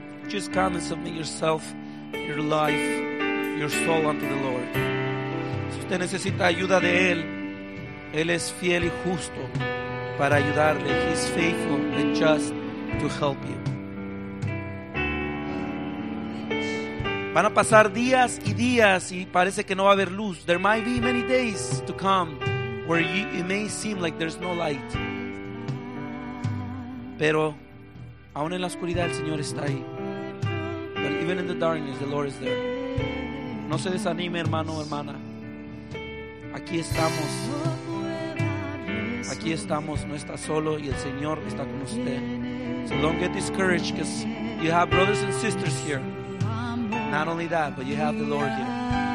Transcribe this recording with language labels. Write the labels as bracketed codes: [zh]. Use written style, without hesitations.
[en] Just come and submit yourself, your life, your soul unto the Lord. [es] Si usted necesita ayuda de Él, Él es fiel y justo para ayudarle. [en] He is faithful and just to help you. [es] Van a pasar días y días y parece que no va a haber luz. [en] There might be many days to come where it may seem like there's no light. [es] Pero aún en la oscuridad el Señor está ahí. [en] But even in the darkness, the Lord is there. [es] No se desanime, hermano o hermana. Aquí estamos. Aquí estamos. No está solo y el Señor está con usted. [en] So don't get discouraged because you have brothers and sisters here. Not only that, but you have the Lord here.